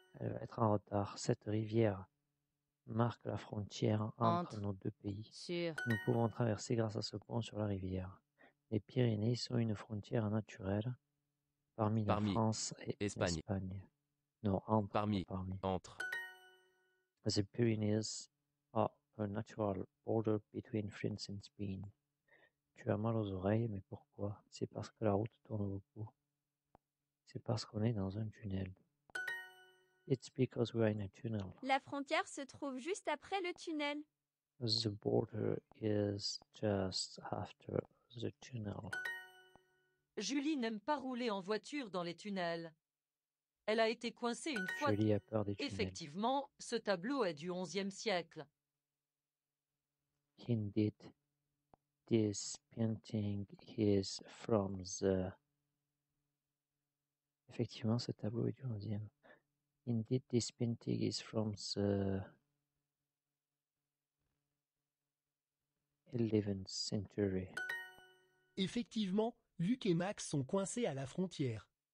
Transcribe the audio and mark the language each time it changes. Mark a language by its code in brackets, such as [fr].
[fr] Elle va être en retard. Cette rivière marque la frontière entre nos deux pays. Sûr. Nous pouvons traverser grâce à ce pont sur la rivière. Les Pyrénées sont une frontière naturelle parmi la France et Espagne. L'Espagne. Non, entre. Parmi. Entre. [en] The Pyrenees are a natural border between France and Spain. [fr] Tu as mal aux oreilles, mais pourquoi? C'est parce que la route tourne beaucoup. C'est parce qu'on est dans un tunnel. [en] It's because we're in a tunnel. [fr] La frontière se trouve juste après le tunnel. [en] The border is just after the tunnel. [fr] Julie n'aime pas rouler en voiture dans les tunnels. Elle a été coincée une fois. Julie a peur des tunnels. Effectivement, ce tableau est du 11e siècle. [en] Indeed, this painting is from the. [fr] Effectivement, ce tableau est du 11e. [en] Indeed, this painting is from the 11th century. [fr] Effectivement, Luc et Max sont coincés à la frontière.